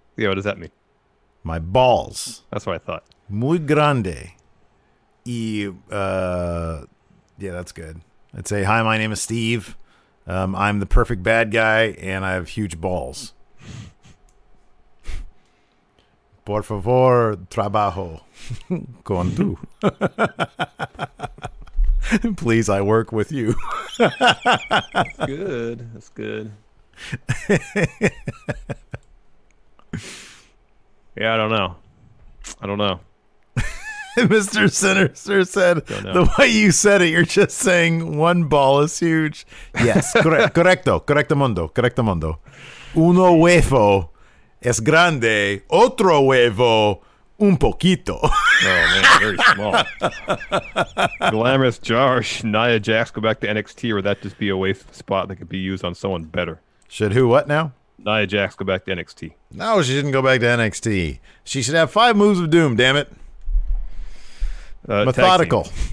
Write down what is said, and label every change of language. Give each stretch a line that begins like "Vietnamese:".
English: Yeah, what does that mean? My balls. That's what I thought.
Spanish: Muy grande.
English: Yeah, that's good. I'd say, hi, my name is Steve. I'm the perfect bad guy, and I have huge balls.
Spanish: Por favor, trabajo con tú.
English: Please, I work with you. That's good. Yeah, I don't know. Mr. Sinister said, the way you said it, you're just saying one ball is huge.
Spanish: Yes, correcto mundo. Uno huevo es grande, otro huevo un poquito.
English: Oh man, very small. Glamorous Josh, Nia Jax, go back to NXT, or would that just be a waste of a spot that could be used on someone better? Should who what now? Nia Jax go back to NXT. No, she shouldn't go back to NXT. She should have five moves of doom, damn it. Methodical.